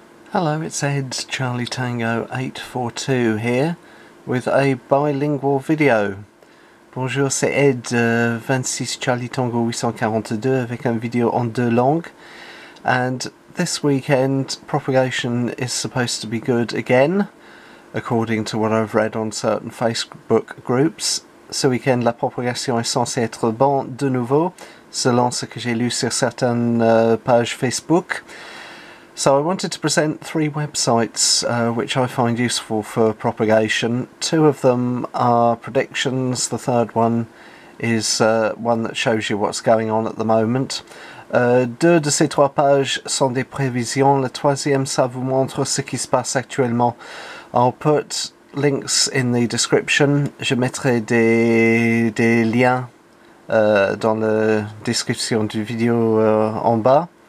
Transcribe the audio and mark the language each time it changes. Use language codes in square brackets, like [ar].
[en] Hello, it's Ed's Charlie Tango 842 here with a bilingual video. [fr] Bonjour, c'est Ed 26 Charlie Tango 842 avec un video en deux langues. [en] And this weekend, propagation is supposed to be good again, according to what I've read on certain Facebook groups. [fr] Ce weekend, la propagation est censée être bon de nouveau, selon ce que j'ai lu sur certaines pages Facebook. [en] So I wanted to present three websites which I find useful for propagation. Two of them are predictions, the third one is one that shows you what's going on at the moment. [fr] Deux de ces trois pages sont des prévisions, le troisième ça vous montre ce qui se passe actuellement. [en] I'll put links in the description, [fr] je mettrai des liens dans la description du vidéo en bas.